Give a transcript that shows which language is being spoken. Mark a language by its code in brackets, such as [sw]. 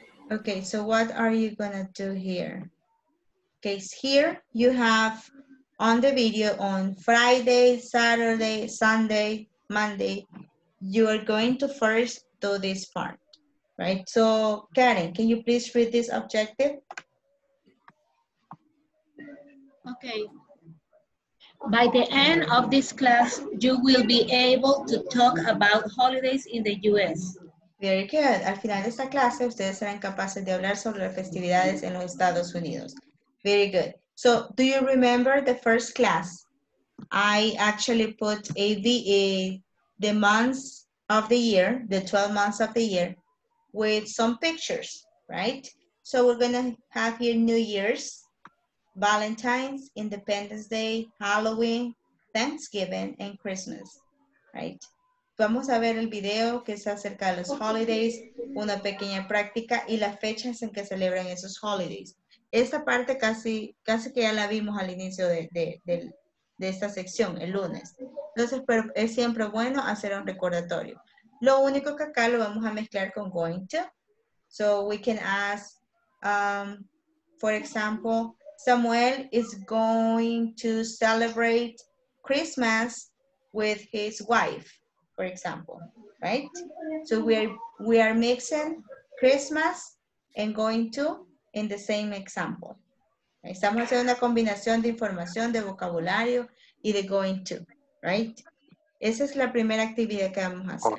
[en] Okay, so what are you gonna do here? Okay, here you have on the video on Friday, Saturday, Sunday, Monday, you are going to first do this part, right? So, Karen, can you please read this objective? Okay. By the end of this class, you will be able to talk about holidays in the U.S. Very good. [es] Al final de esta clase, ustedes serán capaces de hablar sobre las festividades en los Estados Unidos. [en] Very good. So, do you remember the first class? I actually put the months of the year, the 12 months of the year, with some pictures, right? So, we're going to have here New Year's, Valentine's, Independence Day, Halloween, Thanksgiving, and Christmas, right? [es] Vamos a ver el video que es acerca de los holidays, una pequeña práctica, y las fechas en que celebran esos holidays. Esta parte casi que ya la vimos al inicio de esta sección, el lunes. Entonces, pero es siempre bueno hacer un recordatorio. Lo único que acá lo vamos a mezclar con going to. [en] So we can ask, for example, Samuel is going to celebrate Christmas with his wife, for example, right? So we are mixing Christmas and going to in the same example. [es] Estamos haciendo una combinación de información, de vocabulario y de going to, right? Esa es la primera actividad que vamos a hacer.